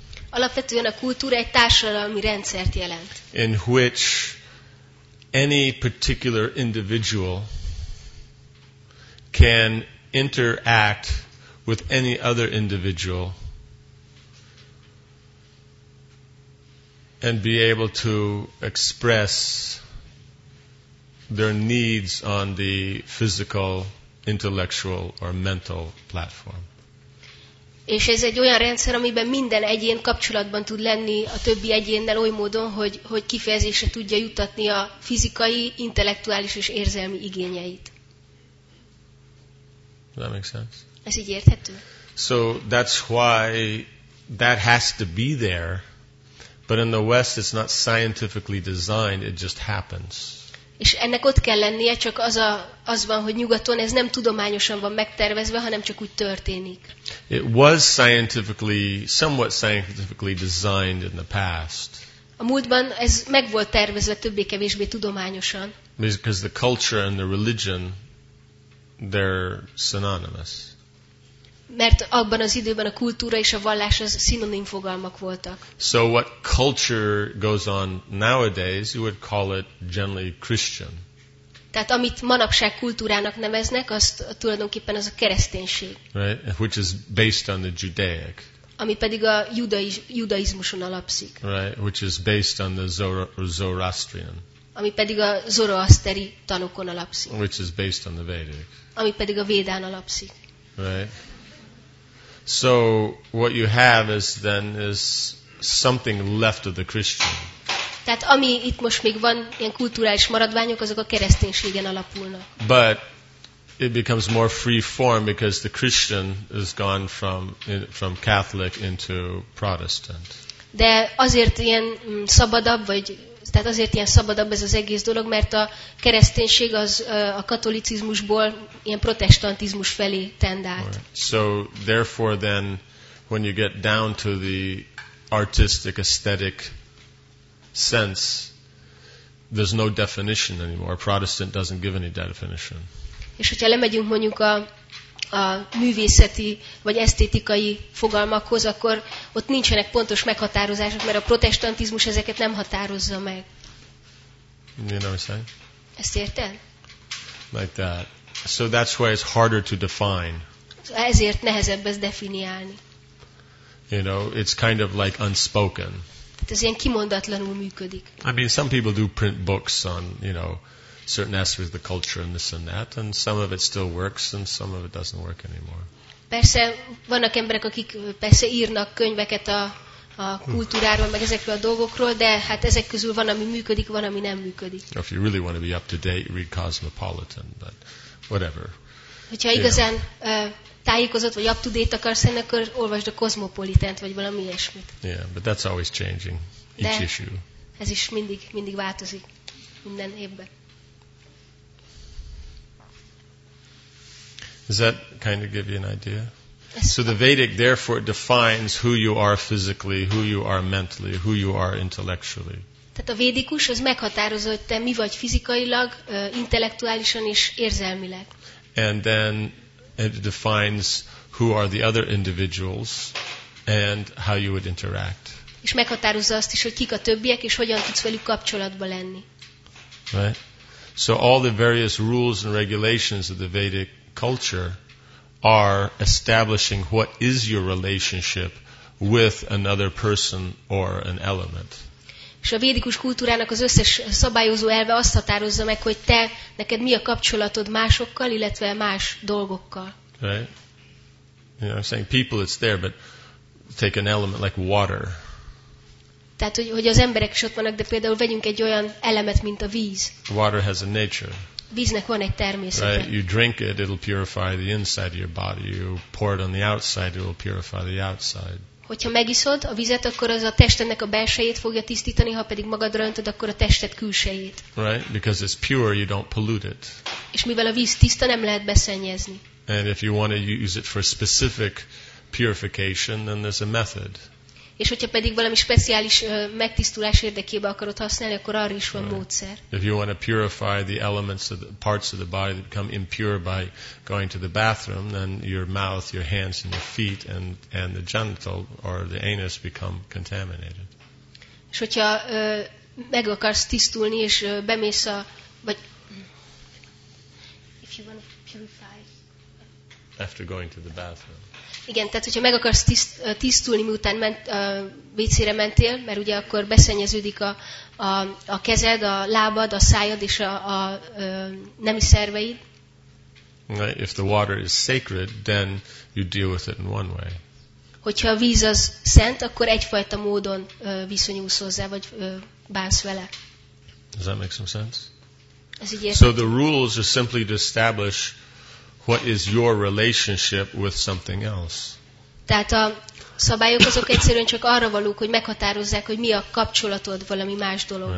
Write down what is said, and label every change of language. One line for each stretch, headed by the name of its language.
Hungarian: Alapvetően a kultúra egy társadalmi rendszert jelent.
English: In which any particular individual can interact with any other individual and be able to express their needs on the physical, intellectual, or mental platform.
Hungarian: És ez egy olyan rendszer, amiben minden egyén kapcsolatban tud lenni a többi egyénnel oly módon, hogy kifejezésre tudja juttatni a fizikai, intellektuális és érzelmi igényeit.
English: That makes sense.
Hungarian: Ez így érthető?
English: So that's why that has to be there, but in the West it's not scientifically designed, it just happens.
Hungarian: És ennek ott kell lennie, csak az van, hogy nyugaton ez nem tudományosan van megtervezve, hanem csak úgy történik.
English: It was scientifically, somewhat scientifically designed in the past.
Hungarian: A múltban ez meg volt tervezve többé-kevésbé tudományosan.
English: Because the culture and the religion, they're synonymous.
Hungarian: Mert abban az időben a kultúra és a vallás az szinonim fogalmak voltak.
English: So what culture goes on nowadays, you would call it generally Christian.
Hungarian: Tehát amit manapság kultúrának neveznek, az tulajdonképpen az a kereszténység.
English: Right, which is based on the Judaic.
Hungarian: Ami pedig a judaizmuson alapszik.
English: Right, which is based on the Zoroastrian.
Hungarian: Ami pedig a zoroaszteri tanokon alapszik.
English: Which is based on the Vedic.
Hungarian: Ami pedig a Védán alapszik.
English: Right. So what you have is then is something left of the Christian.
Hungarian: Tehát ami itt most még van, ilyen kulturális maradványok, azok a kereszténységen alapulnak.
English: But it becomes more free form because the Christian is gone from Catholic into Protestant.
Hungarian: De azért ilyen szabadabb, vagy tehát azért ilyen szabadabb ez az egész dolog, mert a kereszténység az a katolicizmusból ilyen protestantizmus felé tend át.
English: Right. So therefore then when you get down to the artistic aesthetic sense, there's no definition anymore. A Protestant doesn't give any definition.
Hungarian: És hogyha lemegyünk mondjuk a művészeti vagy esztétikai fogalmakhoz, akkor ott nincsenek pontos meghatározások, mert a protestantizmus ezeket nem határozza meg.
English: You know what I'm saying?
Hungarian: Ezt érted?
English: Like that. So that's why it's harder to define.
Hungarian: Ezért nehezebb ezt definiálni.
English: You know, it's kind of like unspoken.
Hungarian: Tehát ez ilyen kimondatlanul működik.
English: I mean, some people do print books on, you know, certain aspects of the culture and this and that, and some of it still works and some of it doesn't work anymore.
Hungarian: Persze vannak emberek, akik persze írnak könyveket a kultúráról, meg ezekről a dolgokról, de hát ezek közül van, ami működik, van, ami nem működik.
English: If you really want to be up to date, read Cosmopolitan, but whatever.
Hungarian: Hogyha igazán tájékozott vagy
English: up to date
Hungarian: akarsz lenni, akkor olvasd a Cosmopolitant vagy valami ilyesmit.
English: Yeah, but that's always changing each
Hungarian: de
English: issue.
Hungarian: Ez is mindig változik minden évben.
English: Does that kind of give you an idea? So the Vedic therefore defines who you are physically, who you are mentally, who you are intellectually.
Hungarian: Tehát a védikus az meghatározza, hogy te mi vagy fizikailag, intellektuálisan és érzelmileg.
English: And then it defines who are the other individuals and how you would interact.
Hungarian: És meghatározza azt is, hogy kik a többiek és hogyan tudsz velük kapcsolatba lenni.
English: Right? So all the various rules and regulations of the Vedic culture are establishing what is your relationship with another person or an element.
Hungarian: És a védikus kultúrának az összes szabályozó elve azt határozza meg, hogy te neked mi a kapcsolatod másokkal, illetve más dolgokkal.
English: Right? You know, I'm saying people, it's there, but take an element like water.
Hungarian: Tehát hogy az emberek is ott vannak, de például vegyünk egy olyan elemet, mint a víz.
English: Water has a nature.
Hungarian: Víznek van egy természete.
English: Right? You drink it, it'll purify the inside of your body. You pour it on the outside, it'll purify the outside.
Hungarian: Hogyha megiszod a vizet, akkor az a testednek a belsejét fogja tisztítani, ha pedig magadra öntöd, akkor a tested külsejét.
English: Right? Because it's pure, you don't pollute it.
Hungarian: És mivel a víz tiszta, nem lehet beszennyezni.
English: And if you want to use it for specific purification, then there's a method.
Hungarian: És hogyha pedig valami speciális megtisztulás érdekében akarod használni, akkor arra is van módszer.
English: If you want to purify the elements of the parts of the body that become impure by going to the bathroom, then your mouth, your hands and your feet and the genital or the anus become contaminated.
Hungarian: És hogyha meg akarsz tisztulni és bemész a vagy
English: if you want to purify after going to the bathroom.
Hungarian: Igen, tehát hogyha meg akarsz tisztulni, miután vécére mentél, mert ugye akkor beszennyeződik a kezed, a lábad, a szájad és a nemi szerveid.
English: If the water is sacred, then you deal with it in one way.
Hungarian: hogyha a víz az szent, akkor egyfajta módon viszonyulsz hozzá, vagy bánsz vele.
English: Does that make some sense?
Hungarian: Ez így érted?
English: So the rules are simply to establish what is your relationship with something else.
Hungarian: Tehát a szabályok azok egyszerűen csak arra valók, hogy meghatározzák, hogy mi a kapcsolatod valami más dologgal.